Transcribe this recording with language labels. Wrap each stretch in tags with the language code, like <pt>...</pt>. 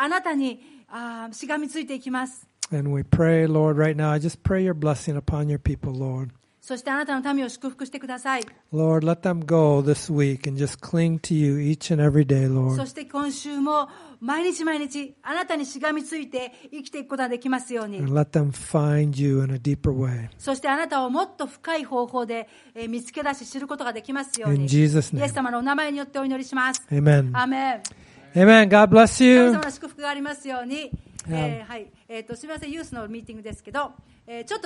<ja>あなたにしがみついていきます。</ja> <en>And we pray, Lord, right now, I just pray your blessing upon your people, Lord.</en> <ja>そしてあなたの民を祝福してください。</ja> <en>Lord, let them go this week and just cling to you each and every day, Lord.</en> <ja>そして今週も毎日毎日あなたにしがみついて生きていくことができますように。</ja> <en>And let them find you in a deeper way.</en> <ja>そしてあなたをもっと深い方法で見つけ出し知ることができますように。</ja> <en>In Jesus' name.</en> <ja>イエス様のお名前によってお祈りします。</ja> <en>Amen. Amen. Amen. God bless you.</en> <ja>神様の祝福がありますように。Yeah. はい。すみません、ユースのミーティングですけど、ちょっと。</ja>